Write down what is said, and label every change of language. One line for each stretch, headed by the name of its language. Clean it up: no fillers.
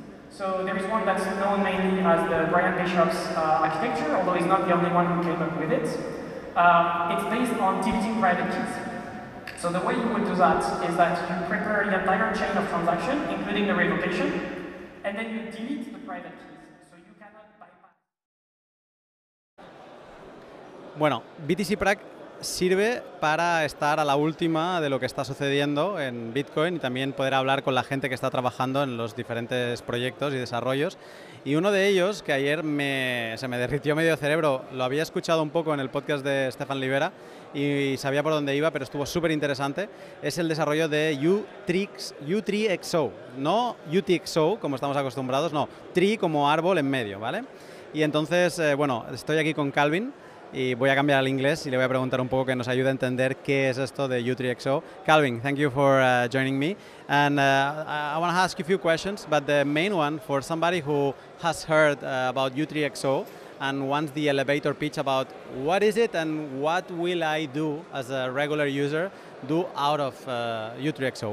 English: So there is one that's known mainly as the Brian Bishop's architecture, although he's not the only one who came up with it. It's based on TBT private keys. So the way you would do that is that you prepare the entire chain of transaction, including the revocation, and then you delete the private keys, so you cannot bypass.
Spanish: Bueno, BTC Prague sirve para estar a la última de lo que está sucediendo en Bitcoin y también poder hablar con la gente que está trabajando en los diferentes proyectos y desarrollos. Y uno de ellos, que ayer se me derritió medio cerebro, lo había escuchado un poco en el podcast de Stefan Libera y sabía por dónde iba, pero estuvo súper interesante, es el desarrollo de U3XO. No UTXO, como estamos acostumbrados, no. Tree como árbol en medio, ¿vale? Y entonces, bueno, estoy aquí con Calvin, y voy a cambiar al inglés y le voy a preguntar un poco que nos ayude a entender qué es esto de U3XO.
English: Calvin, thank you for joining me. And I want to ask you a few questions, but the main one for somebody who has heard about U3XO and wants the elevator pitch about what is it and what will I do as a regular user do out of U3XO.